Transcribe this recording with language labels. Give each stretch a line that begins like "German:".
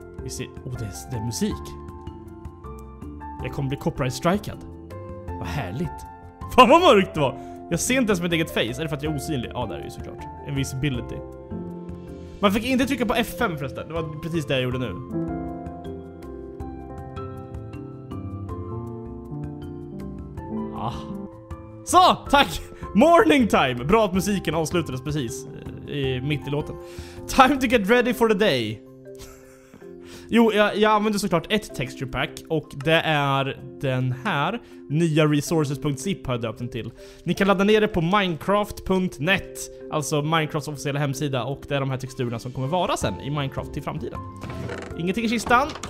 Swedish: Vi ser, oh, det är musik. Jag kommer bli copyright strikad. Vad härligt. Fan vad mörkt det var. Jag ser inte ens mitt eget face. Är det för att jag är osynlig? Ja, det är ju såklart. Invisibility. Man fick inte trycka på F5 förresten. Det var precis det jag gjorde nu. Ah. Så, tack!
English: Morning time!
Swedish: Bra att musiken avslutades precis. Mitt i låten.
English: Time to get ready for the day.
Swedish: Jo, jag använder såklart ett texture pack och det är den här nya resources.zip har jag döpt den till. Ni kan ladda ner det på minecraft.net, alltså Minecrafts officiella hemsida, och det är de här texturerna som kommer vara sen i Minecraft till framtiden. Ingenting i kistan.